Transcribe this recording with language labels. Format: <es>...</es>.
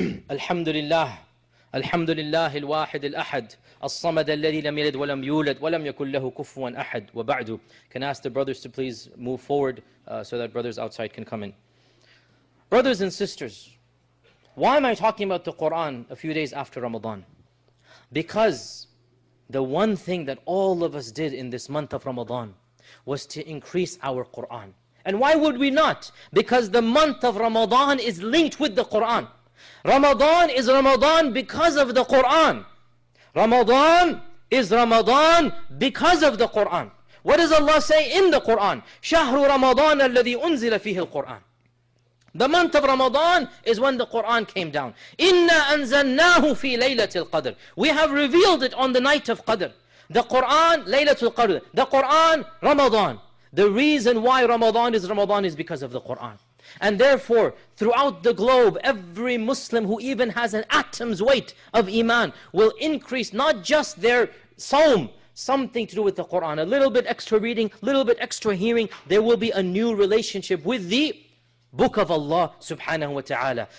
<ar>الحمد لله الحمد لله الواحد الأحد الصمد الذي لم يلد ولم يولد ولم يكن له كفوا أحد وبعد.</ar> <en>Can I ask the brothers to please move forward so that brothers outside can come in. Brothers and sisters, why am I talking about the Quran a few days after Ramadan? Because the one thing that all of us did in this month of Ramadan was to increase our Quran. And why would we not? Because the month of Ramadan is linked with the Quran. Ramadan is Ramadan because of the Quran. Ramadan is Ramadan because of the Quran. What does Allah say in the Quran?</en> <ar>شهر رمضان الذي أنزل فيه القرآن.</ar> <en>The month of Ramadan is when the Quran came down.</en> <ar>إِنَّا أَنزَلْنَاهُ فِي لَيْلَةِ الْقَدْرِ.</ar> <en>We have revealed it on the night of Qadr. The Quran, ليلة القدر. The Quran, Ramadan. The reason why Ramadan is because of the Quran. And therefore, throughout the globe, every Muslim who even has an atom's weight of Iman will increase not just their sawm, something to do with the Quran, a little bit extra reading, a little bit extra hearing, there will be a new relationship with the book of Allah subhanahu wa ta'ala.</en>